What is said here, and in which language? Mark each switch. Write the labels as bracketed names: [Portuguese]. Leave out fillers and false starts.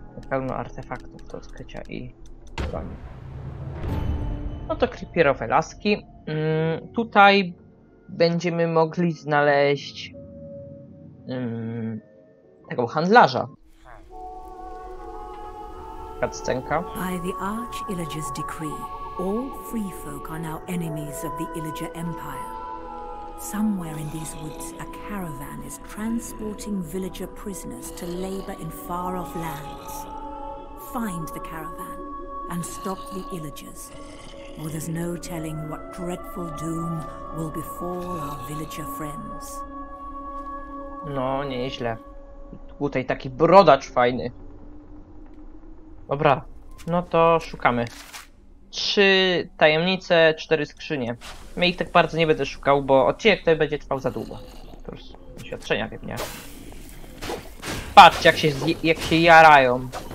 [Polish] Pełno artefaktów do odkrycia i... No to creeperowe laski. Tutaj będziemy mogli znaleźć tego handlarza. Kadcenka. [English] By the Arch Illager's decree, all free folk are now enemies of the Illager Empire. Somewhere in these woods, a caravan is transporting villager prisoners to labor in far-off lands. Find the caravan and stop the Illagers. Or there's no telling what dreadful doom will befall our villager friends. [Polish] No, nieźle. Tutaj taki brodacz fajny. Dobra, no to szukamy. Trzy tajemnice, cztery skrzynie. My ich tak bardzo nie będę szukał, bo odcinek ten będzie trwał za długo. To już doświadczenia pewnie. Patrzcie, jak się jarają.